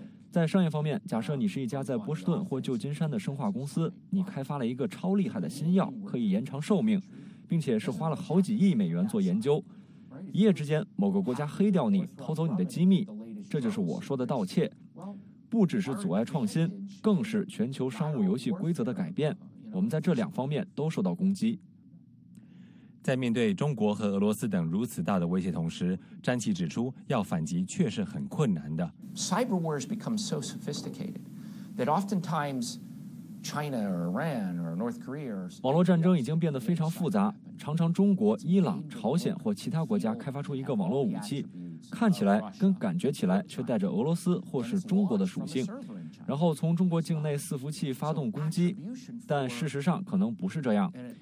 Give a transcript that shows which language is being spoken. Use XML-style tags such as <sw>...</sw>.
<zh>在商业方面，假设你是一家在波士顿或旧金山的生化公司，你开发了一个超厉害的新药，可以延长寿命，并且是花了好几亿美元做研究，一夜之间某个国家黑掉你，偷走你的机密，这就是我说的盗窃。不只是阻碍创新，更是全球商务游戏规则的改变，我们在这两方面都受到攻击。在面对中国和俄罗斯等如此大的威胁同时，詹奇指出要反击确实很困难的。</zh> <en>Cyber wars become so sophisticated that oftentimes China or Iran or North Korea or</en> <zh>网络战争已经变得非常复杂，常常中国、伊朗、朝鲜或其他国家开发出一个网络武器，看起来跟感觉起来却带着俄罗斯或是中国的属性，然后从中国境内伺服器发动攻击，但事实上可能不是这样。</zh>